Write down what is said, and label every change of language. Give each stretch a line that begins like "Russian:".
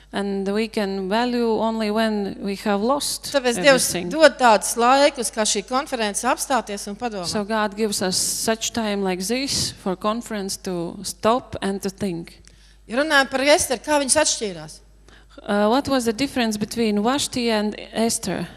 English: And we can value only when we have lost
Latvian: tāpēc
English: everything.
Latvian: Tāpēc Dievs dod tādus laikus, kā šī konference apstāties un padomāt.
English: So God gives us such time like this for conference to stop and to think.
Latvian: Ja runājam par Esteru, kā viņas atšķīrās?
English: What was the difference between Vashti and Esther?